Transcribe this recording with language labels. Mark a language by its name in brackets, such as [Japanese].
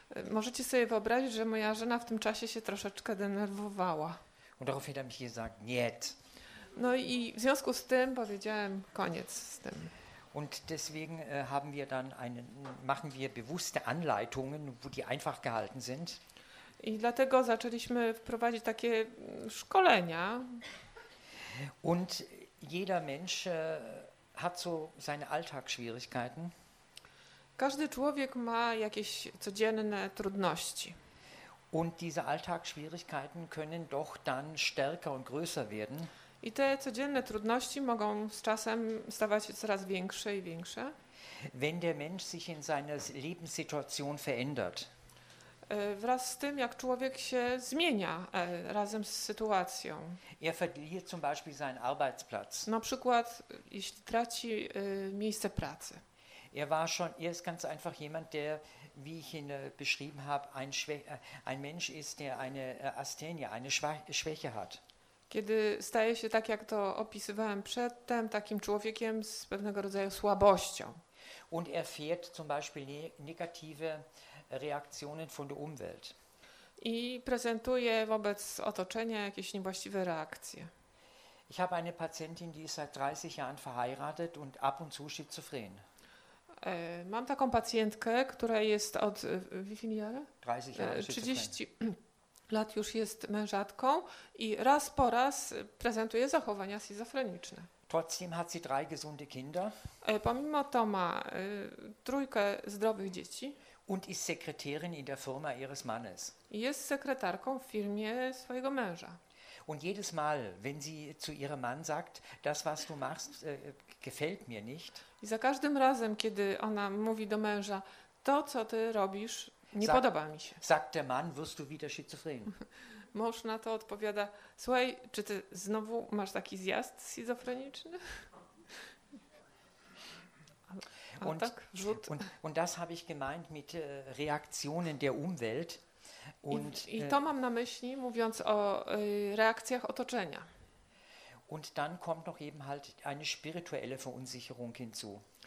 [Polish] Możecie sobie wyobrazić, że moja żona w tym czasie się troszeczkę denerwowała. [German] Und daraufhin habe ich gesagt, niet. [Polish] No i w związku z tym powiedziałem, koniec z tym. [German] Und deswegen haben wir dann machen wir bewusste Anleitungen, wo die einfach gehalten sind. [Polish] I dlatego zaczęliśmy wprowadzić takie szkolenia. [German] Und jeder Mensch hat so seine Alltagsschwierigkeiten. [Polish] Każdy człowiek ma jakieś codzienne trudności. [German] Und diese Alltagsschwierigkeiten können doch dann stärker und größer werden. [Polish] I te codzienne trudności mogą z czasem stawać się coraz większe i większe. [German] Wenn der Mensch sich in seiner Lebenssituation verändert. [Polish] Wraz z tym, jak człowiek się zmienia razem z sytuacją. [German] Er verliert zum Beispiel seinen Arbeitsplatz. [Polish] Na przykład, jeśli traci miejsce pracy. [German] Er ist ganz einfach jemand, der, wie ich ihn beschrieben habe, ein Mensch ist, der eine Asthenie, eine Schwäche hat. [Polish] Kiedy staje się tak, jak to opisywałem przedtem, takim człowiekiem z pewnego rodzaju słabością. [German] Und er fährt zum Beispiel negative Reaktionen von der Umwelt. [Polish] I prezentuje wobec otoczenia jakieś niewłaściwe reakcje. [German] Ich habe eine Patientin, die ist seit 30 Jahren verheiratet und ab und zu schizophren. [Polish] Mam taką pacjentkę, która jest od [German] wie jahre? 30 Jahre [Polish] 30 lat już jest mężatką i raz po raz prezentuje zachowania schizofreniczne. [German] Trotzdem hat sie drei gesunde Kinder. [Polish] Pomimo to ma trójkę zdrowych dzieci. [German] Und ist Sekretärin in der Firma ihres Mannes. [Polish] Jest sekretarką w firmie swojego męża. [German] Und jedes Mal, wenn sie zu ihrem Mann sagt, das was du machst, gefällt mir nicht. [Polish] I za każdym razem, kiedy ona mówi do męża, to co ty robisz, nie podoba mi się. [German] Sagt der Mann, wirst du wieder schizophren. [Polish] Mąż na to odpowiada, słuchaj, czy ty znowu masz taki zjazd schizofreniczny? [German] Und, tak, und das habe ich gemeint mit Reaktionen der Umwelt. Und, [Polish] I to mam na myśli, mówiąc o reakcjach otoczenia. [German] Und dann kommt noch eben halt eine spirituelle Verunsicherung hinzu.